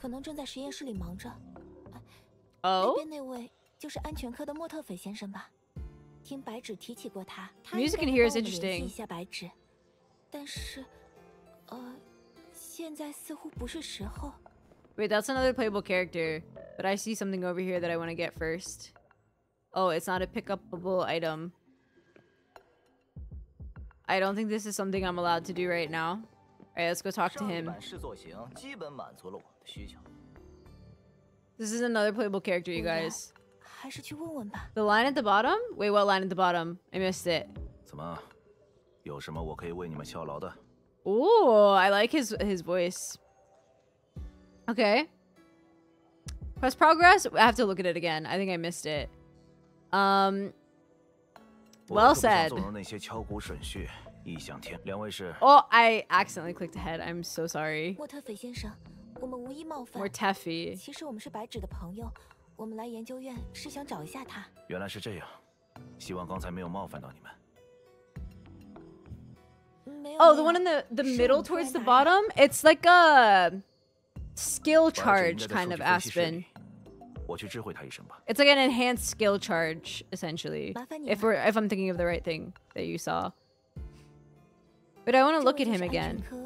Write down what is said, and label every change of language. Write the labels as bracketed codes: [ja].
[zh] 可能正在实验室里忙着。哦，那边那位就是安全科的莫特斐先生吧？听白纸提起过他。 [en] Music in here is interesting. [zh] 联系一下白纸，但是，现在似乎不是时候。 [en] Wait, that's another playable character, but I see something over here that I want to get first. Oh, it's not a pick-upable item. I don't think this is something I'm allowed to do right now. Alright, let's go talk to him. This is another playable character, you guys. The line at the bottom? Wait, what line at the bottom? I missed it. [zh] 怎么？有什么我可以为你们效劳的？ [en] Ooh, I like his voice. Okay. Quest progress? I have to look at it again. I think I missed it. Well said. Oh, I accidentally clicked ahead. I'm so sorry. We're Teffy. [zh] 其实我们是白纸的朋友，我们来研究院是想找一下他。原来是这样，希望刚才没有冒犯到你们。 [en] Oh, the one in the middle towards the bottom? It's like a... Skill charge, kind of, Aspen. It's like an enhanced skill charge, essentially. If I'm thinking of the right thing that you saw. But I want to look at him again.